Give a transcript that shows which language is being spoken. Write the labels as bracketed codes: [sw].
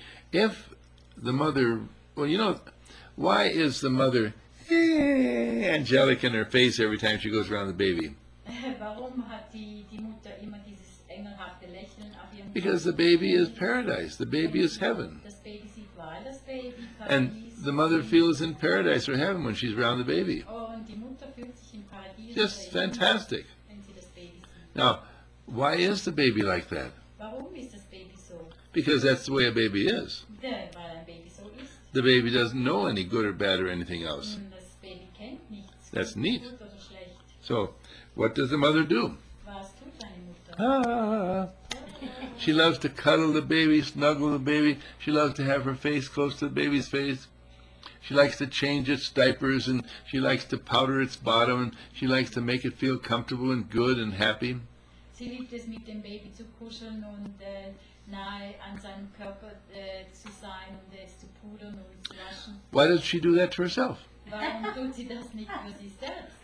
[en] If the mother, well, you know, why is the mother angelic in her face every time she goes around the baby. [de] Warum hat die Mutter immer dieses engelhafte Lächeln auf ihrem [en] Because the baby is paradise. The baby is heaven. [de] Das Baby sieht wahr, das Baby [en] And the mother feels in paradise or heaven when she's around the baby. [de] Und die Mutter fühlt sich im Paradies [en] Just fantastic. [de] Wenn sie das Baby sieht. [en] Now, why is the baby like that? [de] Warum ist das Baby so? [en] Because that's the way a baby is. [de] Ja, weil ein Baby so ist. [en] The baby doesn't know any good or bad or anything else. [de] Und das Baby kennt nichts. [en] That's neat. [de] Gut oder schlecht. [en] So, what does the mother do? [de] Was tut deine Mutter? [en] She loves to cuddle the baby, snuggle the baby. She loves to have her face close to the baby's face. She likes to change its diapers, and she likes to powder its bottom, and she likes to make it feel comfortable and good and happy. [de] Sie liebt es, mit dem Baby zu kuscheln und nahe an seinem Körper zu sein und es zu pudern und zu waschen. [en] Why does she do that to herself? [de] Warum tut sie das nicht für sich selbst?